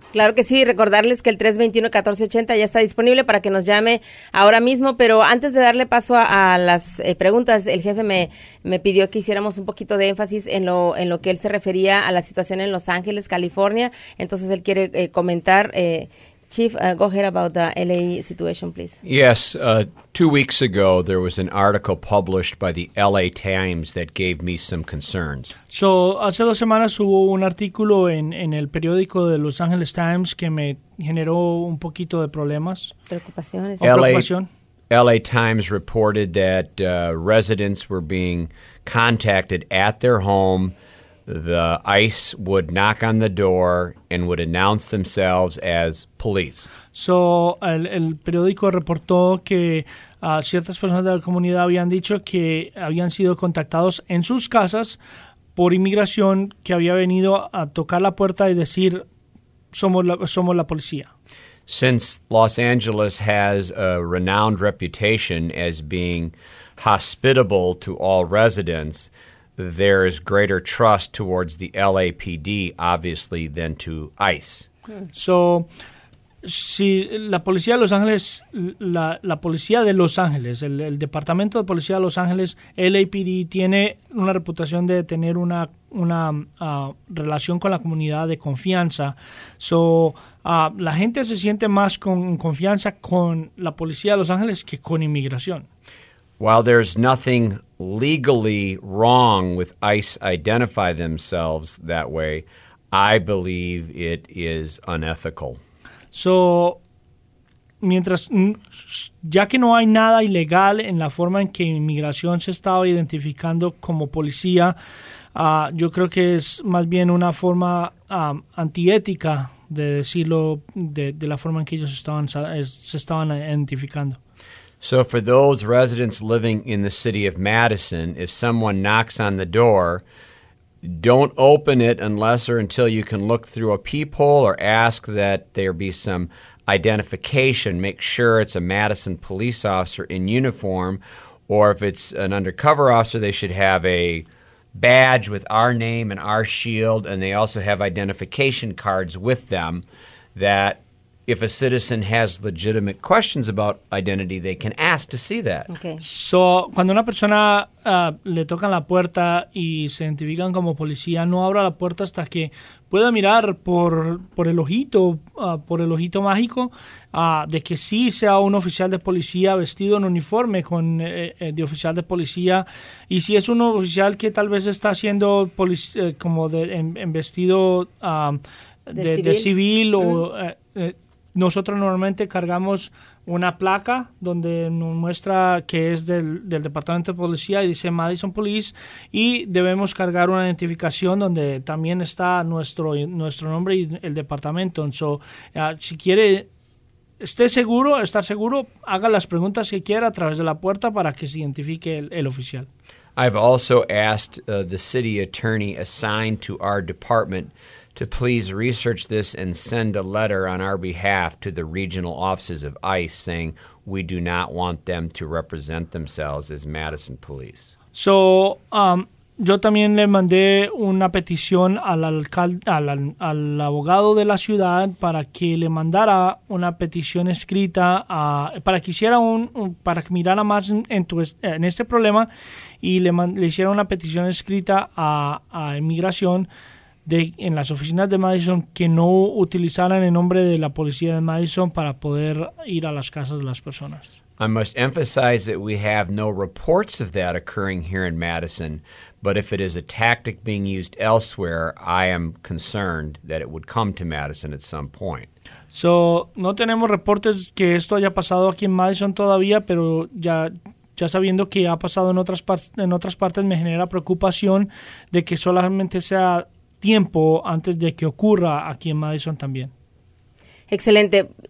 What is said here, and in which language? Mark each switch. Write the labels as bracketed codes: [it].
[es] Claro que sí, recordarles que el 321-1480 ya está disponible para que nos llame ahora mismo, pero antes de darle paso a las preguntas, el jefe me pidió que hiciéramos un poquito de énfasis en lo que él se refería a la situación en Los Ángeles, California. Entonces él quiere comentar. [en] Chief, go ahead about the LA situation, please. Yes, 2 weeks ago there was an article published by the LA Times that gave me some concerns. [es] So, hace dos semanas hubo un artículo en el periódico de Los Angeles Times que me generó un poquito de problemas. Preocupaciones. [en] LA Times reported that residents were being contacted at their home. The ICE would knock on the door and would announce themselves as police. [es] So, el periódico reportó que ciertas personas de la comunidad habían dicho que habían sido contactados en sus casas por inmigración que había venido a tocar la puerta y decir, somos la policía. [en] Since Los Angeles has a renowned reputation as being hospitable to all residents, there is greater trust towards the LAPD, obviously, than to ICE. [es] So, si la policía de Los Ángeles, la policía de Los Ángeles, el departamento de policía de Los Ángeles, LAPD, tiene una reputación de tener una relación con la comunidad de confianza. So, la gente se siente más con confianza con la policía de Los Ángeles que con inmigración. [en] While there's nothing legally wrong with ICE identify themselves that way, I believe it is unethical. [es] So, mientras, ya que no hay nada ilegal en la forma en que inmigración se estaba identificando como policía, yo creo que es más bien una forma antiética de decirlo de la forma en que ellos se estaban identificando. [en] So for those residents living in the city of Madison, if someone knocks on the door, don't open it unless or until you can look through a peephole or ask that there be some identification. Make sure it's a Madison police officer in uniform, or if it's an undercover officer, they should have a badge with our name and our shield, and they also have identification cards with them that if a citizen has legitimate questions about identity, they can ask to see that. Okay. [es] So, cuando una persona le toca la puerta y se identifican como policía, no abra la puerta hasta que pueda mirar por el ojito mágico de que sí sea un oficial de policía vestido en uniforme con de oficial de policía, y si es un oficial que tal vez está siendo vestido de civil. Nosotros normalmente cargamos una placa donde nos muestra que es del Departamento de Policía y dice Madison Police, y debemos cargar una identificación donde también está nuestro nombre y el departamento. So, si quiere, estar seguro, haga las preguntas que quiera a través de la puerta para que se identifique el oficial. [en] I've also asked the city attorney assigned to our department to please research this and send a letter on our behalf to the regional offices of ICE saying we do not want them to represent themselves as Madison police. [es] So, yo también le mandé una petición al alcalde, al abogado de la ciudad para que le mandara una petición escrita para que hiciera para que mirara más en este problema y le hiciera una petición escrita a inmigración en las oficinas de Madison que no utilizaran el nombre de la policía de Madison para poder ir a las casas de las personas. [en] I must emphasize that we have no reports of that occurring here in Madison, but if it is a tactic being used elsewhere, I am concerned that it would come to Madison at some point. [es] So, no tenemos reportes que esto haya pasado aquí en Madison todavía, pero ya sabiendo que ha pasado en otras partes, me genera preocupación de que solamente sea tiempo antes de que ocurra aquí en Madison también. Excelente.